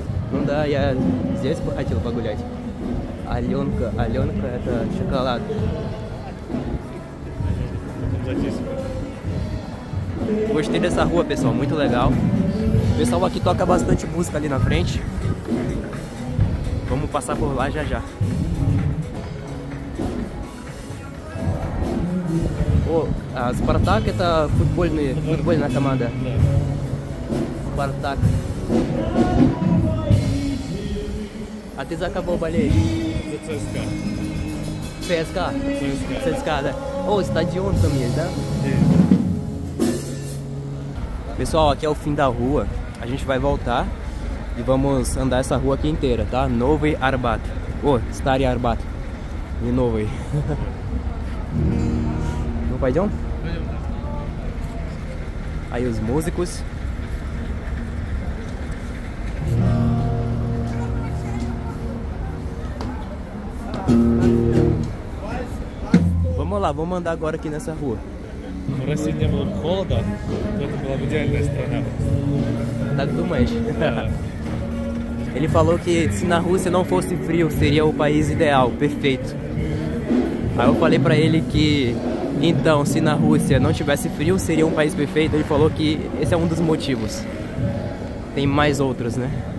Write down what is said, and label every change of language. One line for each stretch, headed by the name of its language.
Russian: Ну да, я здесь бы хотел погулять. Аленка, Аленка это шоколад.
Portuguese: Gostei dessa rua, pessoal, muito legal. O pessoal aqui toca bastante música ali na frente. Vamos passar por lá já já.
Russian: О, а Спартак это футбольный, футбольная команда. Спартак. А ты за кого болеешь? За ЦСКА. ЦСКА? ЦСКА. ЦСКА, да. О, стадион там есть, да?
Portuguese: Sim. Pessoal, aqui é o fim da rua. A gente vai voltar e vamos andar essa rua aqui inteira, tá?
Russian: Novi Arbat. О, Стари Арбат. E Novi. Пойдем? Пойдем.
Portuguese: Aí os músicos. Vamos lá, vamos andar agora aqui nessa rua.
Russian: В России не было холода, это была бы идеальная страна. Так думаешь?
Portuguese: Ele falou que se na Rússia não fosse frio, seria o país ideal, perfeito. Aí eu falei pra ele que então, se na Rússia não tivesse frio, seria um país perfeito. Ele falou que esse é um dos motivos. Tem mais outros, né?